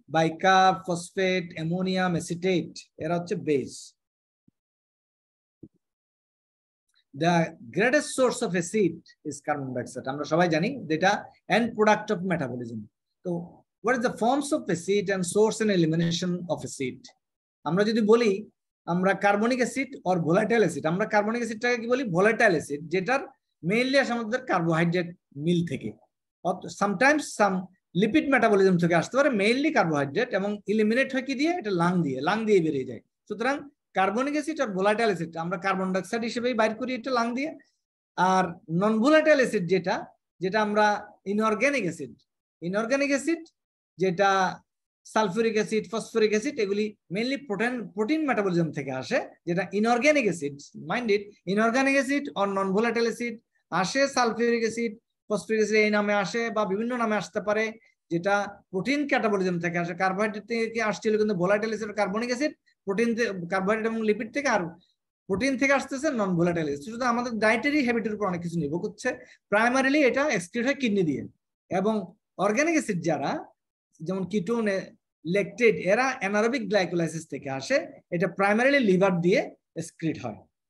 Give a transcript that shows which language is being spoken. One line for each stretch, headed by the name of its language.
English: Bicarb, phosphate, ammonium, acetate.
Bangla: এরা হচ্ছে
English: base. The greatest source of acid is carbon dioxide.
Bangla: আমরা সবাই জানি, এটা
English: end product of metabolism. So, what is the forms of acid and source and elimination of acid?
Bangla: আমরা যদি বলি, আমরা carbonic acid or volatile acid. আমরা carbonic acid টাকে কি বলি?
English: Volatile acid.
Bangla: যেটার mainly আমাদের carbohydrate meal থেকে
English: or sometimes some lipid metabolism
Bangla: থেকে আসতে পারে, mainly carbohydrate, এবং eliminate হয় কি দিয়ে? এটা lung দিয়ে বেরিয়ে যায়। সুতরাং carbonic acid আর volatile acid আমরা carbon dioxide হিসেবেই বাইর করি এটা lung দিয়ে, আর non volatile acid যেটা আমরা inorganic acid যেটা sulfuric acid, phosphoric acid, এগুলি mainly protein metabolism থেকে আসে, যেটা inorganic acid,
English: mind it,
Bangla: inorganic acid or non-volatile acid, আসে sulfuric acid, phosphoric acid, এই নামে আসে বা বিভিন্ন নামে আসতে পারে, যেটা protein catabolism থেকে আসে, carbohydrate থেকে আসছিল, কিন্তু volatile acid, carbonic acid, protein, carbohydrate এবং lipid থেকে আর protein থেকে আসতেছে non-volatile acid. সুতরাং আমাদের dietary habit এর উপর অনেক কিছু নির্ভর করছে, primarily এটা excrete হয় kidney দিয়ে, এবং organic acid যারা যেমন কিটোন, লেকটেট, এরা অ্যানারোবিক গ্লাইকোলাইসিস থেকে আসে, এটা প্রাইমারিলি লিভার দিয়ে এক্সক্রিট হয়।